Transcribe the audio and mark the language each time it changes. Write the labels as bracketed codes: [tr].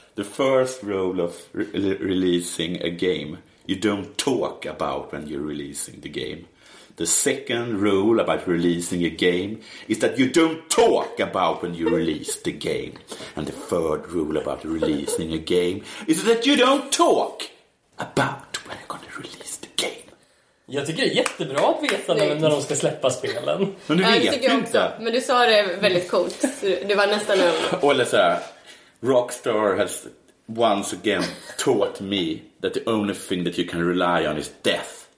[en] The first rule of releasing a game, you don't talk about when you're releasing the game. The second rule about releasing a game is that you don't talk about when you release the game. And the third rule about releasing a game is that you don't talk about when you're going to release the game. [sv] Jag tycker det är jättebra att veta när de ska släppa spelen. Men du vet jag inte. Också, men du sa det väldigt coolt. Det var nästan en... Eller så här, [en] Rockstar has once again taught me that the only thing that you can rely on is death.